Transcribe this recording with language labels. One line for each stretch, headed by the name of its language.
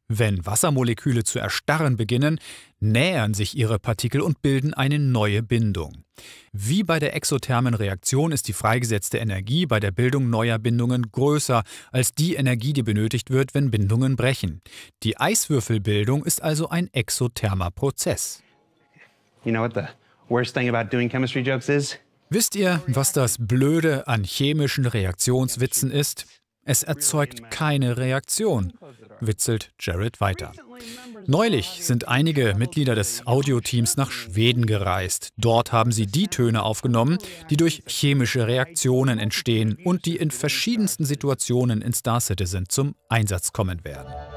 German: Wenn Wassermoleküle zu erstarren beginnen, nähern sich ihre Partikel und bilden eine neue Bindung. Wie bei der exothermen Reaktion ist die freigesetzte Energie bei der Bildung neuer Bindungen größer als die Energie, die benötigt wird, wenn Bindungen brechen. Die Eiswürfelbildung ist also ein exothermer Prozess.
English: You know what the worst thing about doing chemistry jokes is?
German: Wisst ihr, was das Blöde an chemischen Reaktionswitzen ist? Es erzeugt keine Reaktion, witzelt Jared weiter. Neulich sind einige Mitglieder des Audio-Teams nach Schweden gereist. Dort haben sie die Töne aufgenommen, die durch chemische Reaktionen entstehen und die in verschiedensten Situationen in Star Citizen zum Einsatz kommen werden.